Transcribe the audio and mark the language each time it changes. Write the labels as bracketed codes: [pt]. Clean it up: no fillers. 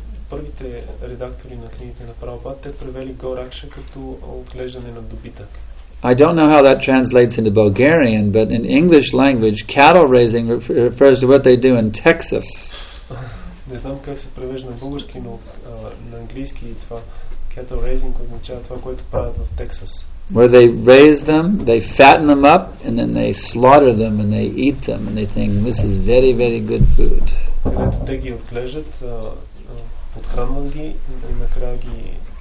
[bg] Първите редактори на книгите на Прабхупада, те превели Go Raksha като отглеждане на добитък. [en] I don't know how that translates into Bulgarian, but in English language, cattle raising refers to what they do in Texas. [bg] Не знам как се превежда на български, но на английски това cattle raising означава това, което правят в Тексас. [en] Where they raise them, they fatten them up, and then they slaughter them, and they eat them, and they think, this is very, very good food. [bg] Където те ги отглеждат, подхранват ги, и накрая ги